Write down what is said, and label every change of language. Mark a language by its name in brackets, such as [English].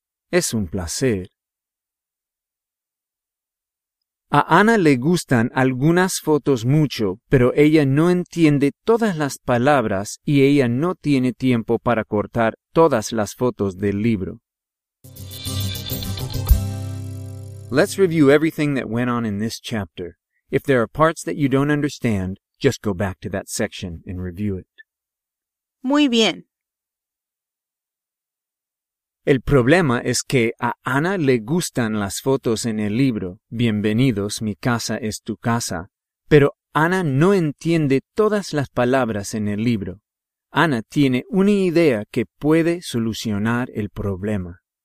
[Spanish] Es un placer. A Ana le gustan algunas fotos mucho, pero ella no entiende todas las palabras y ella no tiene tiempo para cortar todas las fotos del libro. [English] Let's review everything that went on in this chapter. If there are parts that you don't understand, just go back to that section and review it. [Spanish] Muy bien. El problema es que a Ana le gustan las fotos en el libro, Bienvenidos, mi casa es tu casa, pero Ana no entiende todas las palabras en el libro. Ana tiene una idea que puede solucionar el problema.